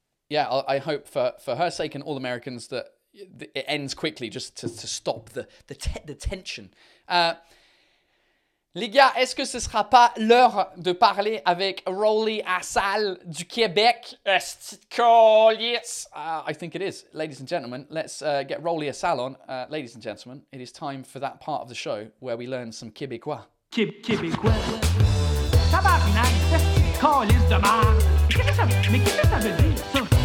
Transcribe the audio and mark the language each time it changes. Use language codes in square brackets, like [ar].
[en] I hope for her sake and all Americans that it ends quickly, just to stop the tension. [fr] Les gars, est-ce que ce sera pas l'heure de parler avec Rolly Assal du Québec? Est-ce call, yes. [en] I think it is. Ladies and gentlemen, let's get Rolly Assal on. Ladies and gentlemen, it is time for that part of the show where we learn some Québécois. [fr] Québécois. Tabarnak, calice de merde. Mais qu'est-ce que ça veut dire, ça?